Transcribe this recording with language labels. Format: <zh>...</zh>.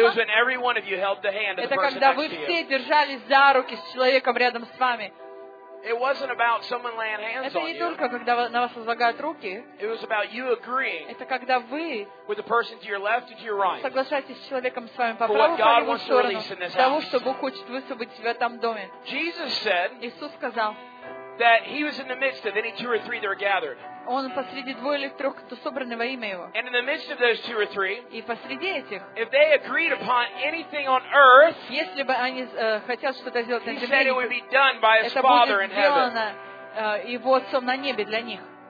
<en>It was when every one of you held the hand of the person next to you.</en> <ru>Это когда вы все держались за руки с человеком рядом с вами.</ru> <en>It wasn't about someone laying hands on you.</en> <ru>Это не только когда на вас возлагают руки.</ru> <en>It was about you agreeing.</en> <ru>Это когда вы</ru> <en>with the person to your left and to your right.</en> <ru>Соглашаетесь с человеком с вами по правую и по левую сторону. Того, что Бог хочет высвободить в этом доме.</ru> <en>Jesus said.</en> <ru>Иисус сказал.</ru> <en>That he was in the midst of any two or three that were gathered.</en> <ru>Он посреди двое или трех, кто собраны во имя Его.</ru> <en>And in the midst of those two or three,</en> <ru>и посреди этих,</ru> <en>if they agreed upon anything on earth,</en> <ru>если бы они хотят что-то сделать на земле,</ru> <en>he said it would be done by his Father in heaven.</en> <ru>Это будет сделано Его Отцом на небе для них.</ru>